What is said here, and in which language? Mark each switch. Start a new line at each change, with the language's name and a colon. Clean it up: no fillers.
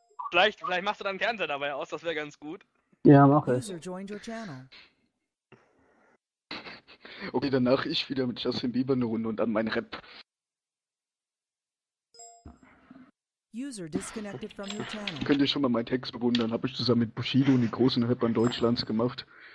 German: Vielleicht machst du deinen Fernseher dabei aus, das wäre ganz gut. Ja, mache
English: User
German: ich.
English: joined your channel.
German: Okay, danach ich wieder mit Justin Bieber eine Runde und dann mein Rap.
English: User disconnected from your channel.
German: Könnt ihr schon mal meinen Text bewundern? Habe ich zusammen mit Bushido und den großen Rappern Deutschlands gemacht.